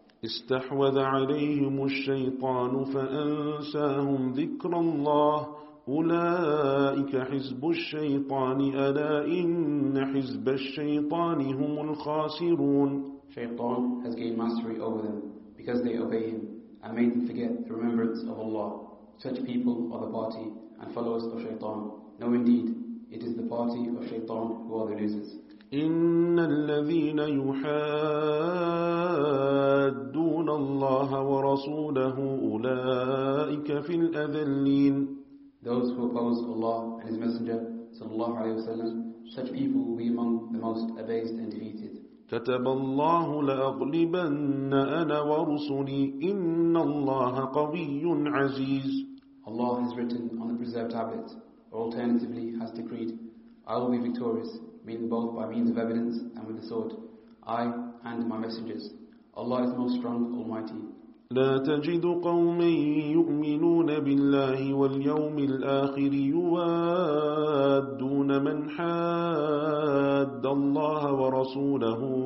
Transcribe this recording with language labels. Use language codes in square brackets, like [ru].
[ar] اسْتَحْوَذَ عَلَيْهِمُ الشَّيْطَانُ فَأَنْسَاهُمْ ذِكْرَ اللَّهِ أُولَٰئِكَ حِزْبُ الشَّيْطَانِ أَلَا إِنَّ حِزْبَ الشَّيْطَانِ هُمُ الْخَاسِرُونَ. [en] Shaytan has gained mastery over them because they obey him and made them forget the remembrance of Allah. Such people are the party and followers of Shaytan. No, indeed, it is the party of Shaytan who are the losers. [ar] إن الذين يحادون الله ورسوله أولئك في الأذلين. [en] Those who oppose Allah and His Messenger, sallallahu alaihi wasallam, such people will be among the most abased and defeated. [ar] كتب الله لأغلبن أنا ورسلي إن الله قوي عزيز. [en] Allah has written on the preserved tablet, or alternatively has decreed, I will be victorious, meaning both by means of evidence and with the sword, I and my messengers. Allah is most strong, Almighty. [ar] لا تجد قوما يؤمنون بالله واليوم الآخر يوادون من حاد الله ورسوله